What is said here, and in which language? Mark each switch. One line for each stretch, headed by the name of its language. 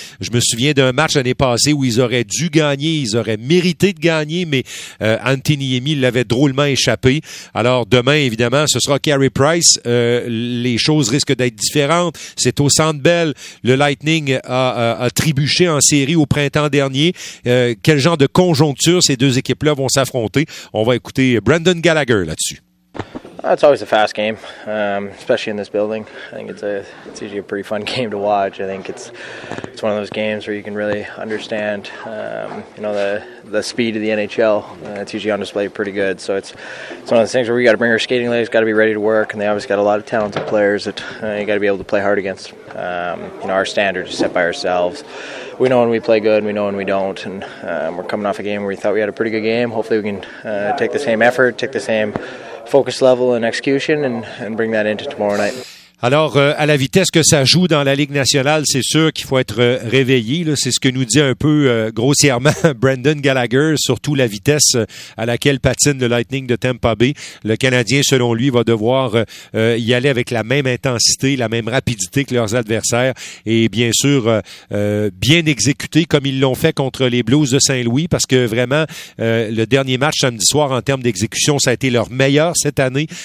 French: Je me souviens d'un match l'année passée où ils auraient dû gagner, ils auraient mérité de gagner, mais Antiniemi l'avait drôlement échappé. Alors demain, évidemment, ce sera Carey Price. Les choses risquent d'être différentes. C'est au Centre Bell. Le Lightning a trébuché en série au printemps dernier. Quel genre de conjoncture ces deux équipes-là vont s'affronter? On va écouter Brendan Gallagher là-dessus.
English: It's always a fast game, especially in this building. I think it's usually a pretty fun game to watch. I think it's one of those games where you can really understand, you know, the speed of the NHL. It's usually on display pretty good. So it's one of those things where we got to bring our skating legs, got to be ready to work, and they obviously got a lot of talented players that you got to be able to play hard against. You know, our standards are set by ourselves. We know when we play good and we know when we don't. And we're coming off a game where we thought we had a pretty good game. Hopefully we can take the same effort, take the same focus level and execution and bring that into tomorrow night.
French: Alors, à la vitesse que ça joue dans la Ligue nationale, c'est sûr qu'il faut être réveillé. Là, c'est ce que nous dit un peu grossièrement Brendan Gallagher, surtout la vitesse à laquelle patine le Lightning de Tampa Bay. Le Canadien, selon lui, va devoir y aller avec la même intensité, la même rapidité que leurs adversaires et bien sûr, bien exécuter comme ils l'ont fait contre les Blues de Saint-Louis parce que vraiment, le dernier match samedi soir en termes d'exécution, ça a été leur meilleur cette année.